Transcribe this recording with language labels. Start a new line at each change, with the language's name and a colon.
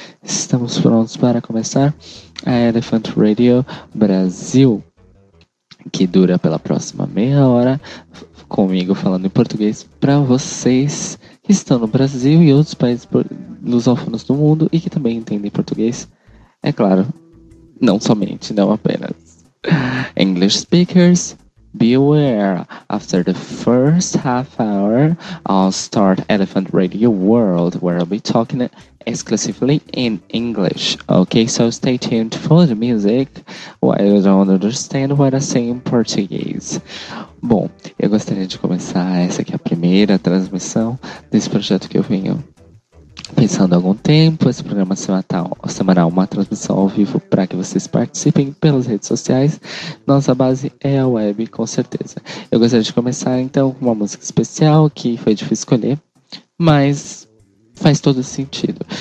Portuguese: Estamos prontos para começar a Elephant Radio Brasil, que dura pela próxima meia hora, comigo falando em português para vocês que estão no Brasil e outros países lusófonos do mundo e que também entendem português. É claro, não somente, não apenas.
English: English speakers, beware. After the first half hour, I'll start Elephant Radio World, where I'll be talking exclusively in English. Okay, so stay tuned for the music while you don't understand what I say in Portuguese.
Portuguese: Bom, eu gostaria de começar essa aqui, a primeira transmissão desse projeto que eu venho pensando há algum tempo. Esse programa semanal, uma transmissão ao vivo para que vocês participem pelas redes sociais. Nossa base é a web, com certeza. Eu gostaria de começar então com uma música especial que foi difícil escolher, mas faz todo sentido.